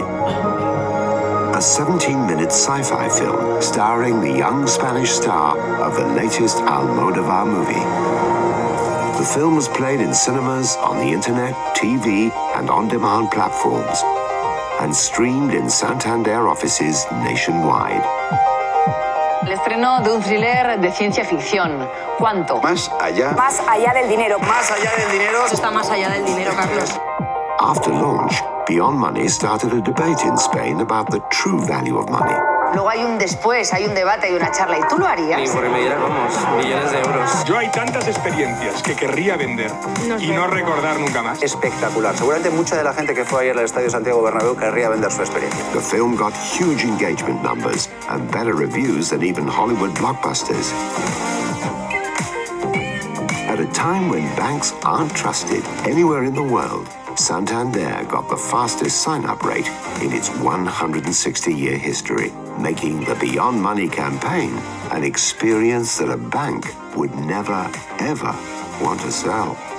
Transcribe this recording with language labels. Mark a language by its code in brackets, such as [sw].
[en] A 17-minute sci-fi film starring the young Spanish star of the latest Almodovar movie. The film was played in cinemas, on the internet, TV, and on-demand platforms, and streamed in Santander offices nationwide. [es] El estreno de un thriller de ciencia ficción. ¿Cuánto? Más allá. Más allá del dinero. Más allá del dinero. Eso está más allá del dinero, Carlos. [en] After launch, Beyond Money started a debate in Spain about the true value of money. [es] Luego hay un después, hay un debate, hay una charla, ¿y tú lo harías? Ni por el medio, vamos, millones de euros. Yo hay tantas experiencias que querría vender y no recordar nunca más. Espectacular. Seguramente mucha de la gente que fue ayer al Estadio Santiago Bernabéu querría vender su experiencia. [en] The film got huge engagement numbers and better reviews than even Hollywood blockbusters. At a time when banks aren't trusted anywhere in the world, Santander got the fastest sign-up rate in its 160-year history, making the Beyond Money campaign an experience that a bank would never, ever want to sell.